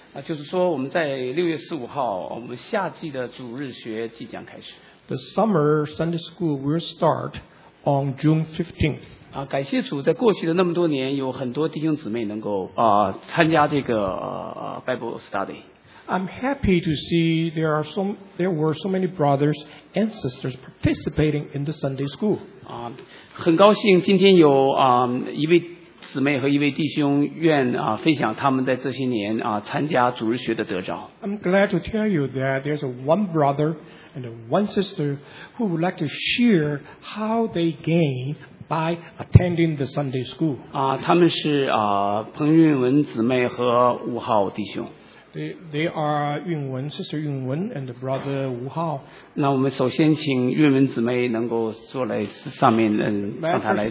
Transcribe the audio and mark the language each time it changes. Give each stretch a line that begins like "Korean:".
Chinese: 就是说我们在6月15号，我们夏季的主日学即将开始。
English: The summer Sunday school will start on June 15th.
Chinese: 感谢主，在过去的那么多年，有很多弟兄姊妹能够参加这个Bible study.
English: I'm happy to see there were so many brothers and sisters participating in the Sunday school.
Chinese: 很高兴今天有一位姊妹和一位弟兄愿分享他们在这些年参加主日学的得着。
English: I'm glad to tell you that there's one brother and one sister who would like to share how they gain. By attending the Sunday school.
Chinese: 他们是彭韵文姊妹和吴浩弟兄。
English: They are Yun Wen, Sister Yun Wen and the Brother Wu Hao.
Chinese: 那我们首先请韵文姊妹能够坐来上面，嗯，上台来。